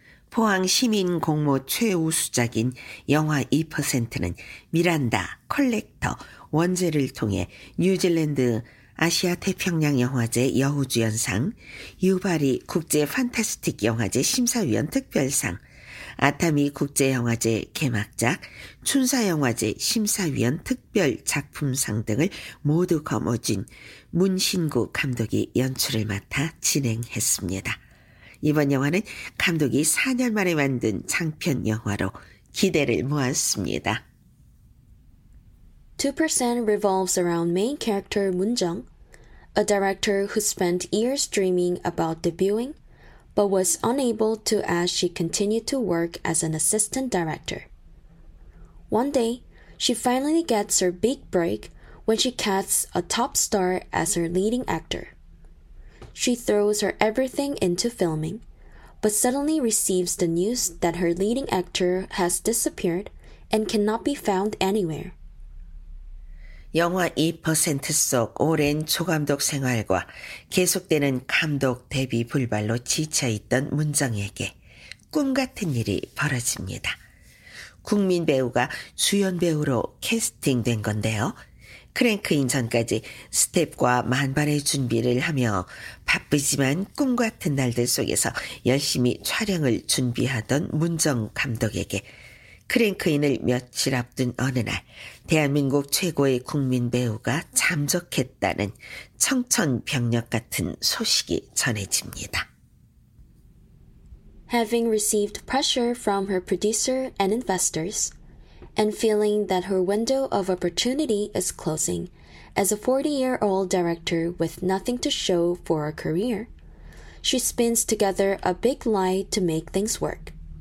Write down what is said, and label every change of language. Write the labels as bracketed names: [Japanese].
[Korean] 포항 시민 공모 최우수작인 영화 2%는 미란다, 컬렉터, 원제를 통해 뉴질랜드 아시아 태평양 영화제 여우주연상, 유바리 국제 판타스틱 영화제 심사위원 특별상, 아타미 국제영화제 개막작, 춘사영화제 심사위원 특별 작품상 등을 모두 거머쥔 문신구 감독이 연출을 맡아 진행했습니다. 이번 영화는 감독이 4년 만에 만든 장편 영화로 기대를 모았습니다. [English] 2% revolves around main character Moon Jung, a director who spent years dreaming about debuting, but was unable to as she continued to work as an assistant director. One day, she finally gets her big break when she casts a top star as her leading actor. She throws her everything into filming, but suddenly receives the news that her leading actor has disappeared and cannot be found anywhere. [Korean] 영화 2% 속 오랜 초감독 생활과 계속되는 감독 데뷔 불발로 지쳐있던 문정에게 꿈같은 일이 벌어집니다. 국민 배우가 주연 배우로 캐스팅된 건데요. 크랭크인 전까지 스텝과 만반의 준비를 하며 바쁘지만 꿈같은 날들 속에서 열심히 촬영을 준비하던 문정 감독에게 크랭크인을 며칠 앞둔 어느 날 대한민국 최고의 국민 배우가 잠적했다는 청천벽력 같은 소식이 전해집니다. [English] Having received pressure from her producer and investors, and feeling that her window of opportunity is closing as a 40-year-old director with nothing to show for a career, she spins together a big lie to make things work.